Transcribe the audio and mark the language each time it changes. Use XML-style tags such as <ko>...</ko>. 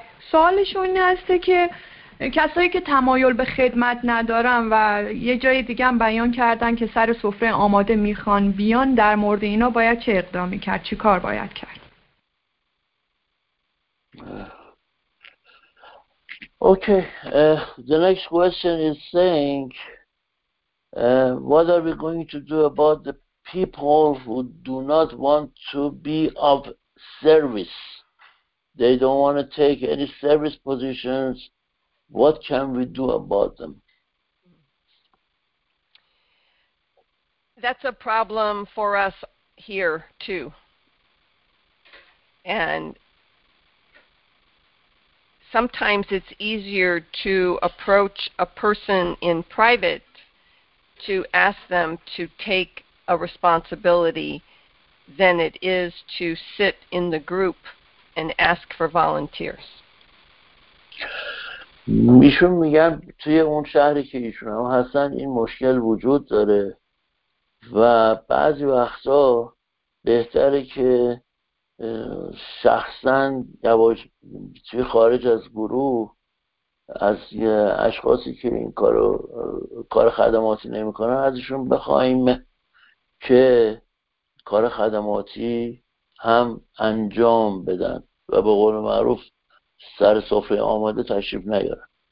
<fa>سوالشون اینه است که کسایی که تمایل به خدمت ندارن و یه جای دیگه هم بیان کردن که سر سفره آماده میخوان بیان، در مورد اینا باید چه اقدامی کرد؟ چی کار باید کرد؟</fa> <en>Okay, the next question is saying, what are we going to do about the people who do not want to be of service? They don't want to take any service positions. What can we do about them? That's a problem for us here too. And sometimes it's easier to approach a person in private to ask them to take a responsibility than it is to sit in the group and ask for volunteers.</en> <fa>میشون میگن توی اون شهری که ایشون هم هستن این مشکل وجود داره و بعضی وقتا بهتره که شخصا توی خارج از گروه از اشخاصی که این کار خدماتی نمی کنن ازشون بخواهیم که کار خدماتی هم انجام بدن و به قول معروف سر سفره آماده تشریف نیارن.</fa>